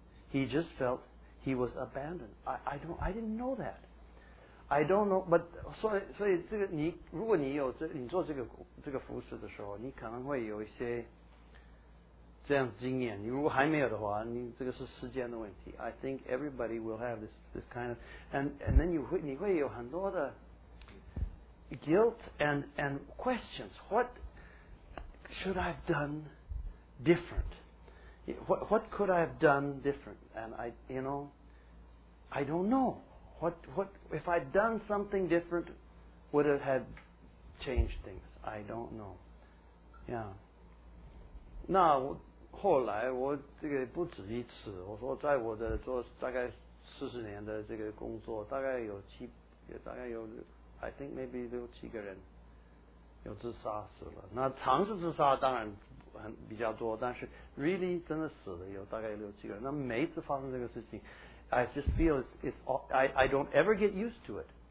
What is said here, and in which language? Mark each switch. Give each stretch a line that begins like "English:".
English: He just felt he was abandoned. I didn't know that.
Chinese: I don't know, but 所以这个你，如果你有你做这个服事的时候，你可能会有一些这样的经验。你如果还没有的话，你这个是时间的问题。
English: I think everybody will have this kind of, and then 你会有很多的 guilt and questions. What should I have done different? What could I have done different? And I don't know. What if I'd done something different, would it have changed things?
Chinese: I don't know. Yeah. 那我后来我这个不止一次，我说在我的做大概40年的这个工作，大概有七，也大概有 ， I think maybe 6-7个人有自杀死了。那尝试自杀当然很比较多，但是 really 真的死了有大概6-7个人。那每一次发生这个事情。
English: I just feel it's all, I don't ever get used to it.